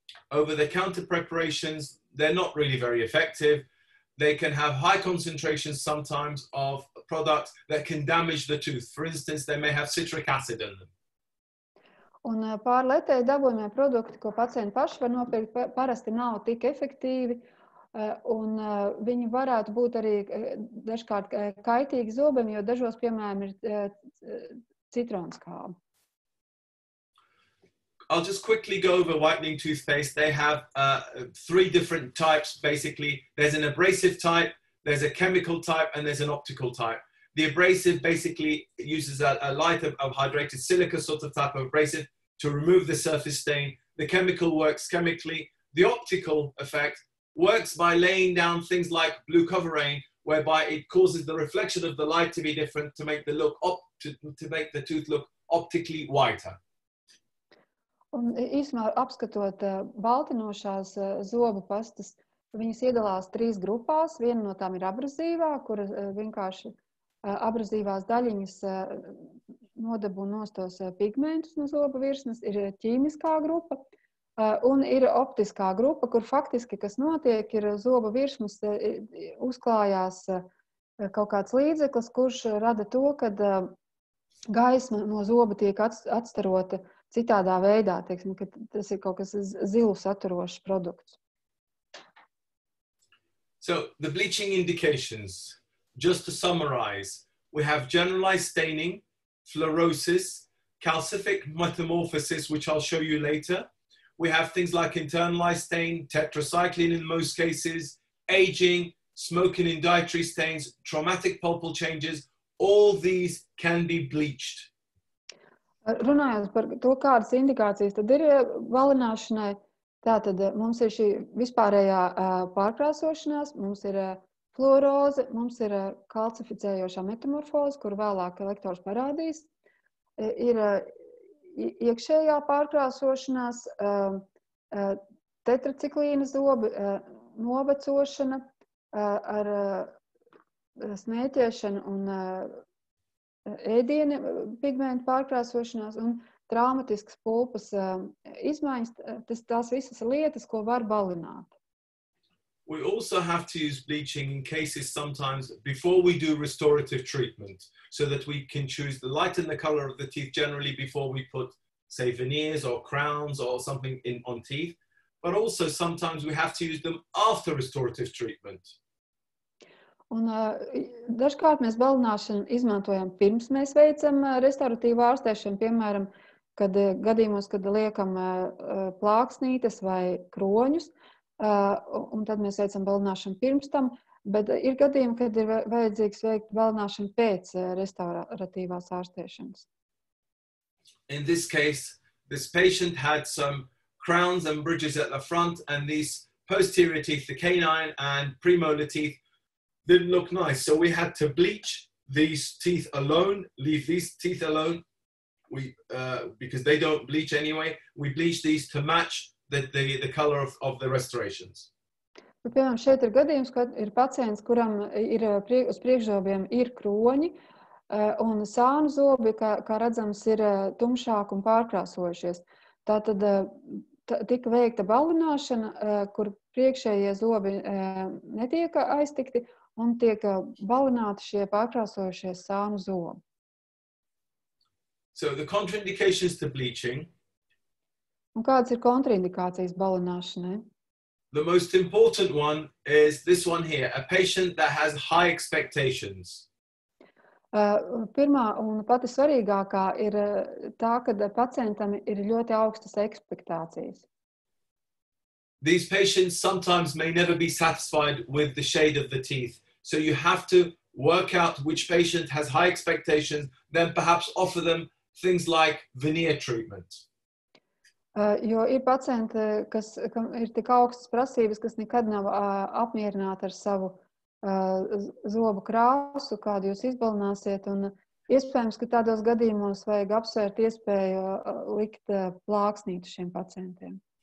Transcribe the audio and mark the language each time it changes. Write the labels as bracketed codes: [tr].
[en] Over the counter preparations, they're not really very effective. They can have high concentrations sometimes of products that can damage the tooth. For instance, they may have citric acid in them. [lv] Un pārlētēji dabojamie produkti, ko pacienti paši var nopirkt, parasti nav tik efektīvi. Un viņi varētu būt arī dažkārt kaitīgi zobiem, jo dažos, piemēram, ir citronskābi. [en] I'll just quickly go over whitening toothpaste. They have three different types, basically. There's an abrasive type, there's a chemical type, and there's an optical type. The abrasive basically uses a light of hydrated silica sort of type of abrasive to remove the surface stain. The chemical works chemically. The optical effect works by laying down things like blue covering, whereby it causes the reflection of the light to be different to make the look to make the tooth look optically whiter. [lv] Un īsumā apskatot baltinošās zobu pastas, viņas iedalās trīs grupās. Viena no tām ir abrazīvā, kura vienkārši abrazīvās daļiņas nodabū nostos pigmentus no zobu virsnes, ir ķīmiskā grupa. Un ir optiskā grupa, kur faktiski, kas notiek, ir zoba virsmas uzklājās kaut kāds līdzeklis, kurš rada to, ka gaisma no zoba tiek atstarota citādā veidā, teiksim, ka tas ir kaut kas zilu saturošs produkts. [en] So, the bleaching indications, just to summarize, we have generalized staining, fluorosis, calcific metamorphosis, which I'll show you later. We have things like internalized stain, tetracycline in most cases, aging, smoking and dietary stains, traumatic pulpal changes, all these can be bleached. [lv] Runājot par to, kādas indikācijas tad ir valināšanai, Tātad mums ir šī vispārējā pārkrāsošanās, mums ir fluoroze, mums ir kalcificējošā metamorfoze, kur vēlāk lektors parādīs. Ir iekšējā pārkrāsošanās, tetraciklīna zobi, novecošana ar smēķēšanu un ēdienu pigmentu pārkrāsošanās un traumatiskas pulpas izmaiņas, tas tās visas lietas, ko var balināt. [en] We also have to use bleaching in cases sometimes before we do restorative treatment, so that we can choose the light and the color of the teeth generally before we put, say, veneers or crowns or something in on teeth. But also sometimes we have to use them after restorative treatment. [lv] Un dažkārt mēs balināšanu izmantojam pirms mēs veicam restoratīvu ārstēšanu, piemēram, kad gadījumos, kad liekam plāksnītes vai kroņus, un tad mēs veicam balināšanu pirms tam, bet ir gadījumi, kad ir vajadzīgs veikt balināšanu pēc restoratīvās ārstēšanas. [en] In this case, this patient had some crowns and bridges at the front, and these posterior teeth, the canine and premolar teeth, didn't look nice, so we had to bleach these teeth alone, leave these teeth alone, because they don't bleach anyway. We bleach these to match the color of the restorations. [lv] Piemēram, šeit ir gadījums, kad ir pacients, kuram ir uz priekšzobiem ir kroņi, un sānu zobi, kā redzams, ir tumšāk un pārkrāsojušies. Tātad tika veikta balināšana, kur priekšējie zobi netiek aiztikti, un tiek balināti šie pārkrāsojušie sānu zobi. [en] So the contraindications to bleaching. [lv] Un kādas ir kontraindikācijas balināšanai? [en] The most important one is this one here, a patient that has high expectations. [lv] Pirmā un pati svarīgākā ir tā, kad pacientam ir ļoti augstas ekspektācijas. [en] These patients sometimes may never be satisfied with the shade of the teeth. So you have to work out which patient has high expectations, then perhaps offer them things like veneer treatment. [lv] Jo ir pacienti, kas kam ir tik augstas prasības, kas nekad nav apmierināti ar savu zobu krāsu, kādu jūs izbalināsiet, un iespējams, ka tādos gadījumos vajag apsvērt iespēju likt plāksnītu šiem pacientiem.